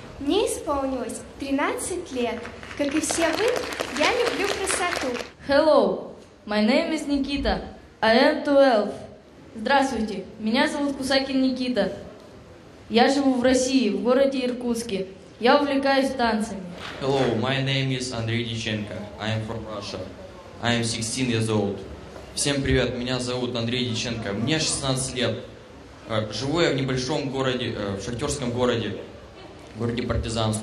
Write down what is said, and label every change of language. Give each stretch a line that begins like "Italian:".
Russian: Мне исполнилось 13 лет. Как и все вы, я люблю красоту.
English: Hello. My name is Nikita. I am 12.
Russian: Здравствуйте, меня зовут Кусакин Никита. Я живу в России, в городе Иркутске. Я увлекаюсь танцами.
English: Hello, my name is Андрей Диченко. I am from Russia. I am 16 years old.
Russian: Всем привет, меня зовут Андрей Диченко. Мне 16 лет. Живу я в небольшом городе, в шахтерском городе, в городе Партизанск.